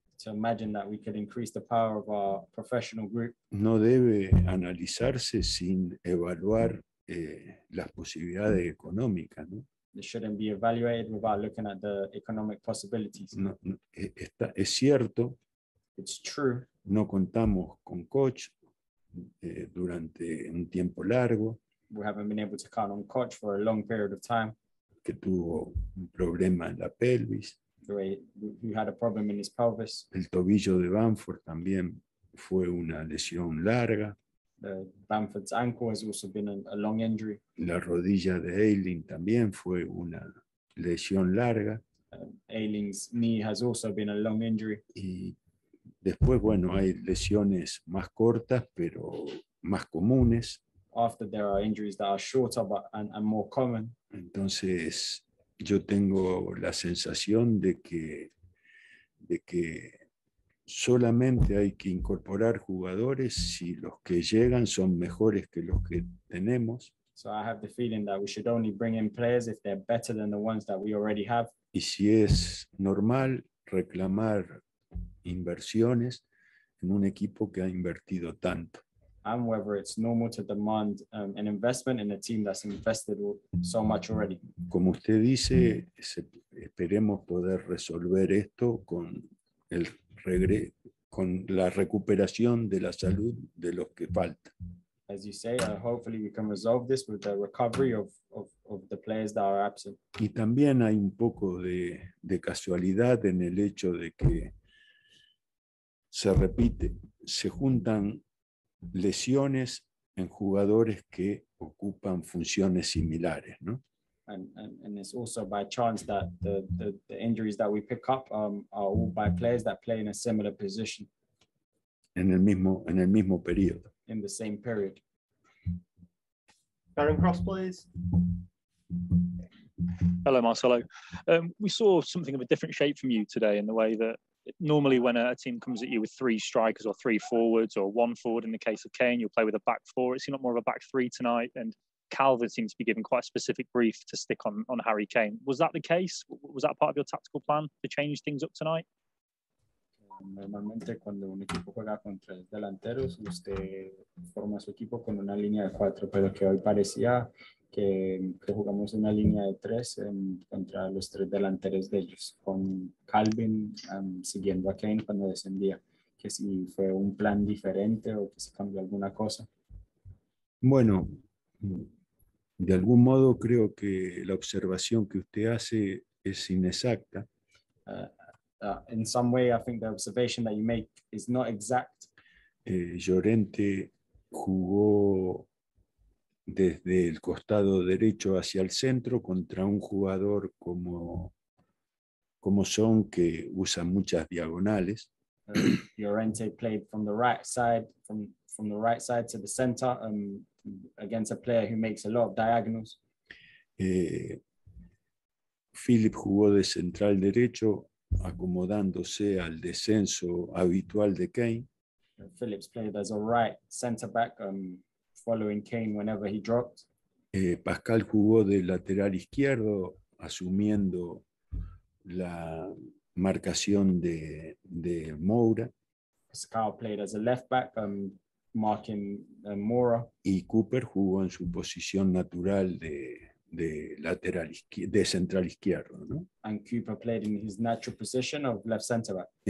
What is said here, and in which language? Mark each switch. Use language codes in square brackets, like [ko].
[en] So imagine that we could increase the power of our professional group. [es] No debe analizarse sin evaluar las posibilidades económicas, ¿no? [en] It shouldn't be evaluated without looking at the economic possibilities. [es] No, no, está, es cierto. [en] It's true. [es] No contamos con coach durante un tiempo largo. [en] We haven't been able to count on coach for a long period of time. [es] Que tuvo un problema en la pelvis. [en] He had a problem in his pelvis. [es] El tobillo de Bamford también fue una lesión larga. [en] Bamford's ankle has also been a long injury. [es] La rodilla de Ayling también fue una lesión larga. [en] Ayling's knee has also been a long injury. [es] Y después, bueno, hay lesiones más cortas, pero más comunes. [en] After there are injuries that are shorter but and more common. [es] Entonces, yo tengo la sensación de que solamente hay que incorporar jugadores si los que llegan son mejores que los que tenemos. [en] So I have the feeling that we should only bring in players if they're better than the ones that we already have. [es] Y si es normal reclamar inversiones en un equipo que ha invertido tanto. [en] And whether it's normal to demand an investment in a team that's invested so much already. [es] Como usted dice, esperemos poder resolver esto con el con la recuperación de la salud de los que faltan. [en] As you say, hopefully we can resolve this with the recovery of the players that are absent. [es] Y también hay un poco de casualidad en el hecho de que se repite, se juntan lesiones en jugadores que ocupan funciones similares, ¿no? [en] And it's also by chance that the injuries that we pick up are all by players that play in a similar position. [es] En el mismo periodo. [en] In the same period. Aaron Cross, please. Hello, Marcelo. We saw something of a different shape from you today in the way that normally when a team comes at you with three strikers or three forwards or one forward in the case of Kane, you'll play with a back four. It's not more of a back three tonight. And Calvert seems to be given quite a specific brief to stick on Harry Kane. Was that the case? Was that part of your tactical plan to change things up tonight? [es] Normalmente cuando un equipo juega con tres delanteros, usted forma su equipo con una línea de cuatro, pero que hoy parecía que jugamos una línea de tres contra los tres delanteros de ellos, con Calvin siguiendo a Kane cuando descendía, que si fue un plan diferente o que se cambió alguna cosa. Bueno, de algún modo creo que la observación que usted hace es inexacta. [en] In some way, I think the observation that you make is not exact. [es] Llorente jugó desde el costado derecho hacia el centro contra un jugador como Son, que usa muchas diagonales. [en] Llorente played from the right side, from the right side to the center, against a player who makes a lot of diagonals. [es] Philip jugó de central derecho, acomodándose al descenso habitual de Kane. [en] Phillips played as a right center back, following Kane whenever he dropped. [es] Pascal jugó de lateral izquierdo, asumiendo la marcación de Moura. [en] Pascal played as a left back, marking Moura. [es] Y Cooper jugó en su posición natural de lateral de central izquierdo, ¿no? [en] And Cooper played in his natural position of left center back.